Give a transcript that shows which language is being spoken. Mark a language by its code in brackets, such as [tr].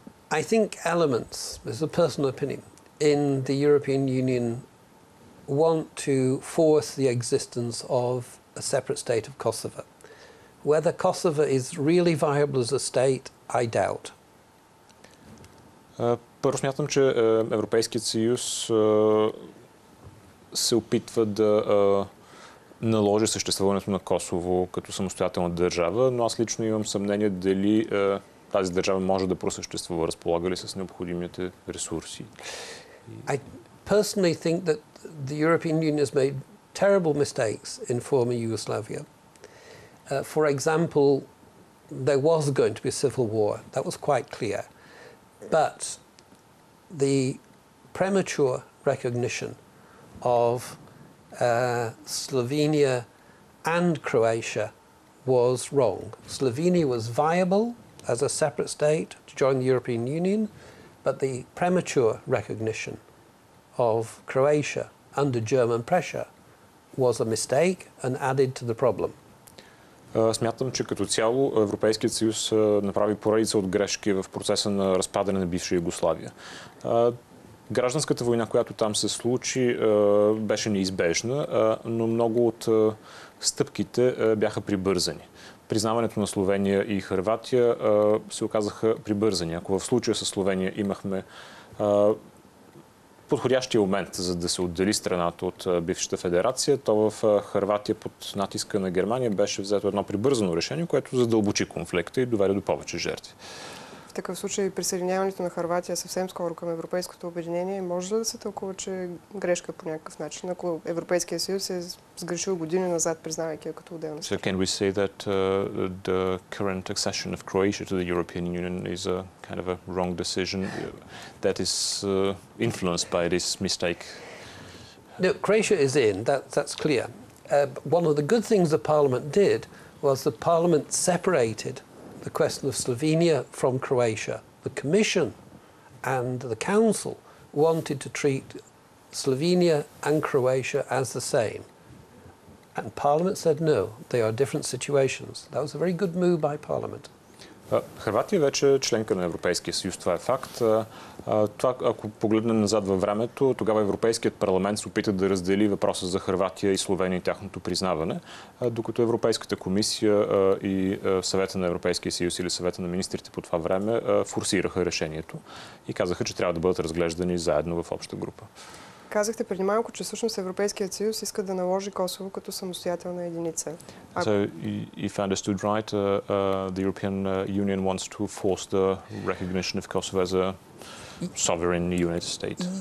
[en] I think elements, as a personal opinion, in the European Union want to force the existence of a separate state of Kosovo. Whether Kosovo is really viable as a state, I doubt. [bg] Първо смятам, че Европейският съюз се опитва да наложи съществуването на Косово като самостоятелна държава, но аз лично имам съмнение дали тази държава може да просъществува, разполага ли с необходимите ресурси. [en] I personally think that the European Union has made terrible mistakes in former Yugoslavia. For example, there was going to be a civil war. That was quite clear. But the premature recognition of Slovenia and Croatia was wrong. Slovenia was viable as a separate state to join the European Union, but the premature recognition of Croatia under German pressure was a mistake and added to the problem. [bg] Смятам, че като цяло Европейският съюз направи поредица от грешки в процеса на разпадане на бивша Югославия. Гражданската война, която там се случи, беше неизбежна, но много от стъпките бяха прибързани. Признаването на Словения и Хърватия се оказаха прибързани. Ако в случая с Словения имахме подходящия момент, за да се отдели страната от бившата федерация, то в Хърватия под натиска на Германия беше взето едно прибързано решение, което задълбочи конфликта и доведе до повече жертви. В такъв случай присъединяването на Хърватия съвсем скоро към Европейското обединение може ли да се тълкува, че грешка по някакъв начин, ако Европейския съюз е сгрешил години назад, признавайки я като отделна страна? [en] So can we say that the current accession of Croatia to the European Union is a kind of a wrong decision that is influenced by this mistake? No, Croatia is in, that's clear. One of the good things the parliament did was the parliament separated the question of Slovenia from Croatia. The Commission and the Council wanted to treat Slovenia and Croatia as the same. And Parliament said no, they are different situations. That was a very good move by Parliament. [bg] Хърватия вече е членка на Европейския съюз, това е факт. Това, ако погледнем назад във времето, тогава Европейският парламент се опита да раздели въпроса за Хърватия и Словения и тяхното признаване, докато Европейската комисия и Съвета на Европейския съюз или Съвета на министрите по това време форсираха решението и казаха, че трябва да бъдат разглеждани заедно в обща група. Казахте преди малко, че всъщност Европейският съюз иска да наложи Косово като самостоятелна единица. [en] So, if I understood right, the European Union wants to force the recognition of Kosovo as a sovereign unit state.